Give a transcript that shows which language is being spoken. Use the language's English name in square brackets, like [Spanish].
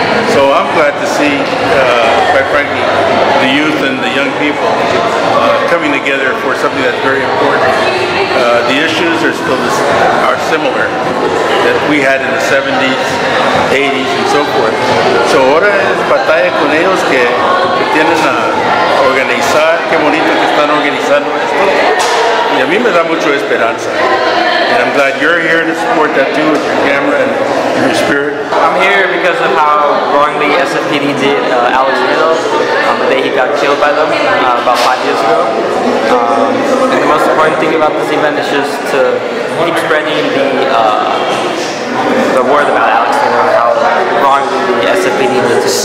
[English] So I'm glad to see, quite frankly, the youth and the young people coming together for something that's very important. The issues are still are similar that we had in the 70s, 80s, and so forth. [Spanish] So ahora es batalla con ellos que tienen a organizar. Qué bonito que están organizando esto. Y a mí me da mucho esperanza. [English] And I'm glad you're here to support that too with your camera and your spirit. I'm here because of how wrongly SFPD did Alex Nieto the day he got killed by them about 5 years ago. And the most important thing about this event is just to keep spreading the word about Alex Nieto and how wrongly the SFPD did it.